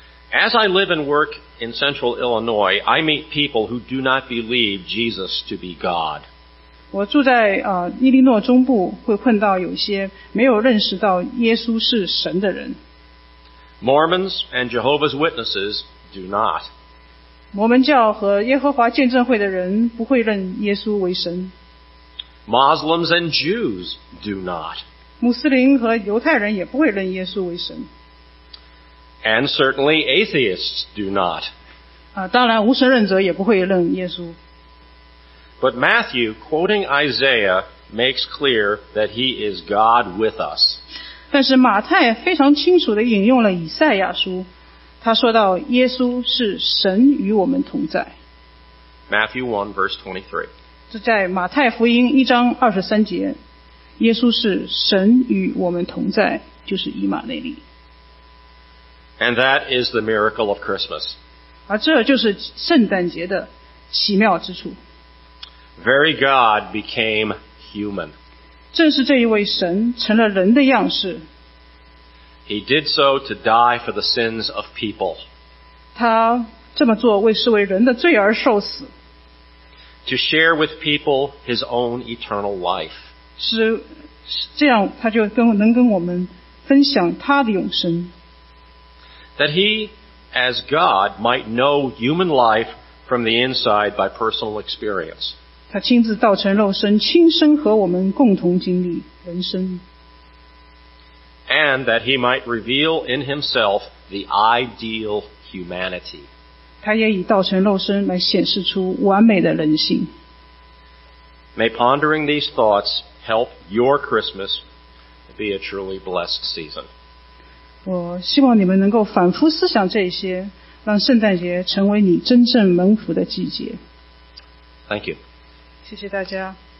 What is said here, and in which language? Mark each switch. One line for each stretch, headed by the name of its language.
English: As I live and work in central Illinois, I meet people who do not believe Jesus to be God.
Chinese: 我住在伊利诺中部，会碰到有些没有认识到耶稣是神的人。
English: Mormons and Jehovah's Witnesses do not.
Chinese: 摩门教和耶和华见证会的人不会认耶稣为神。
English: Muslims and Jews do not.
Chinese: 穆斯林和犹太人也不会认耶稣为神。
English: And certainly atheists do not.
Chinese: 当然无神论者也不会认耶稣。
English: But Matthew, quoting Isaiah, makes clear that he is God with us.
Chinese: 但是马太非常清楚地引用了以赛亚书，他说到耶稣是神与我们同在。
English: Matthew 1, verse 23.
Chinese: 这在马太福音一章二十三节，耶稣是神与我们同在，就是以马内利。
English: And that is the miracle of Christmas.
Chinese: 而这就是圣诞节的奇妙之处。
English: Very God became human.
Chinese: 正是这一位神成了人的样式。
English: He did so to die for the sins of people.
Chinese: 他这么做为是为人的罪而受死。
English: To share with people his own eternal life.
Chinese: 是这样，他就能跟我们分享他的永生。
English: That he, as God, might know human life from the inside by personal experience.
Chinese: 他亲自道成肉身，亲身和我们共同经历人生。
English: And that he might reveal in himself the ideal humanity.
Chinese: 他也以道成肉身来显示出完美的人性。
English: May pondering these thoughts help your Christmas be a truly blessed season.
Chinese: 我希望你们能够反复思想这些，让圣诞节成为你真正蒙福的季节。
English: Thank you.
Chinese: 谢谢大家。